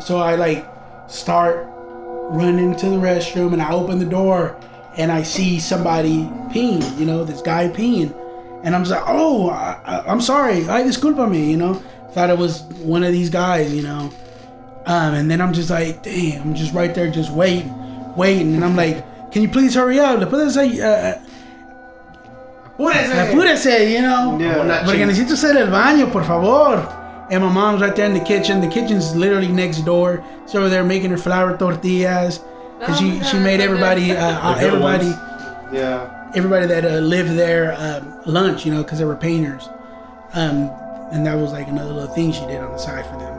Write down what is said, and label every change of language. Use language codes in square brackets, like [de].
[en] So I start running to the restroom, and I open the door and I see somebody peeing, you know, this guy peeing, and I'm just like, oh, I'm sorry, [es] ay, disculpa me, [en] you know, thought it was one of these guys, you know, and then I'm just like, damn, I'm just right there just waiting, and I'm like, can you please hurry up, [es] le puedes [en] say, you know, yeah, [es] porque necesito hacer el baño, por favor. [en] And my mom's right there in the kitchen. The kitchen's literally next door. So over there making her flour tortillas. Cause she made everybody that lived there lunch, you know, cause they were painters. And that was like another little thing she did on the side for them.